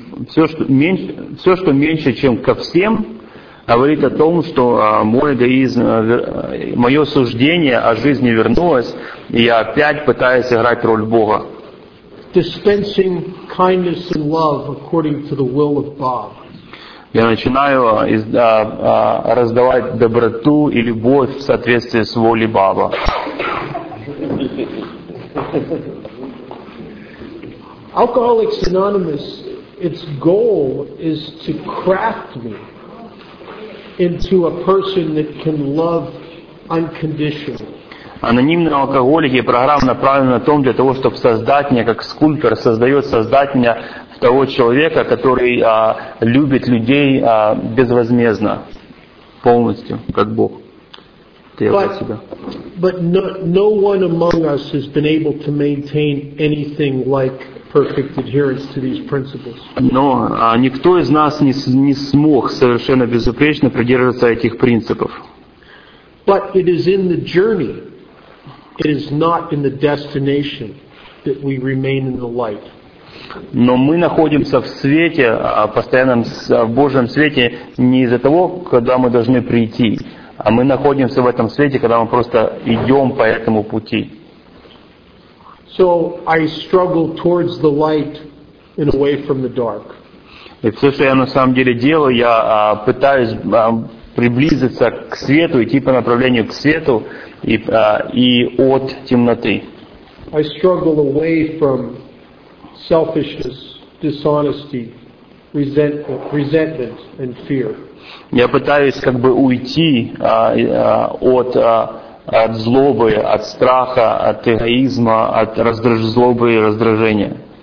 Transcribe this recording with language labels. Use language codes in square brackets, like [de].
[ru] Все, что меньше, чем ко всем, говорит о том, что мое суждение о жизни вернулось, и я опять пытаюсь играть роль Бога. [en] Dispensing kindness and love according to the will of God. [ru] Я начинаю раздавать доброту и любовь в соответствии с волей Баба. [en] Alcoholics Anonymous, its goal is to craft me into a person that can love unconditionally. [ru] Анонимные алкоголики, программа направлена на том, для того, чтобы создать меня, как скульптор, создать меня в того человека, который любит людей безвозмездно, полностью, как Бог. [en] But no one among us has been able to maintain anything like perfect adherence to these principles. [ru] Но никто из нас не смог совершенно безупречно придерживаться этих принципов. [en] But it is in the journey. It is not in the destination that we remain in the light. [ru] Но мы находимся в свете, постоянном в Божьем свете, не из-за того, когда мы должны прийти, а мы находимся в этом свете, когда мы просто идем по этому пути. [en] So I struggle towards the light and away from the dark. [ru] И все, что я на самом деле делаю, я пытаюсь приблизиться к свету, идти по направлению к свету. И от темноты. [en] I struggle away from selfishness, dishonesty, resentment, and fear. [ru] Я пытаюсь как бы уйти от злобы, от страха, от эгоизма, от злобы и раздражения.